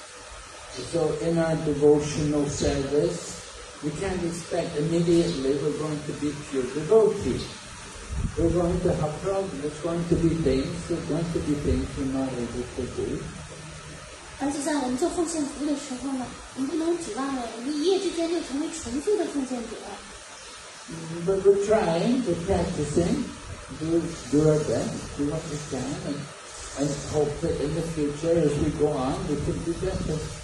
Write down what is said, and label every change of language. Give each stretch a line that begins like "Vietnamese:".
English: So in our devotional service, we can't expect immediately we're going to be pure devotees. We're going to have problems. It's going to be things. It's going to be things we're not able to do.
Chinese: 而且在我们做奉献服务的时候呢，我们不能指望了，我们一夜之间就成为纯粹的奉献者。
English: But we're trying, we're practicing, do our best, do what we can, and hope that in the future, as we go on, we can do better.